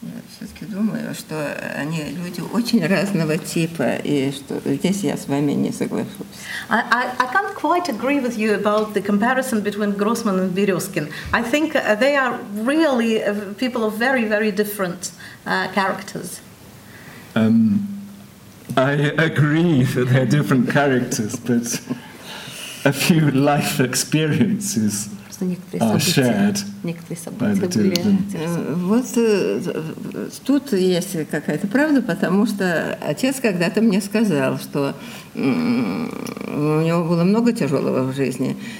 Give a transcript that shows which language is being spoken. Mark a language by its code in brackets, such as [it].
[ru] Все-таки думаю, что они люди очень разного типа, и что здесь я с вами не соглашусь. [en] I can't quite agree with you about the comparison between Grossman and Beryozkin. I think they are really people of very, very different characters. I agree that they're different characters, but a few life experiences [ru] Вот тут есть какая-то правда, потому что отец когда-то мне сказал, что у него было много тяжелого в жизни.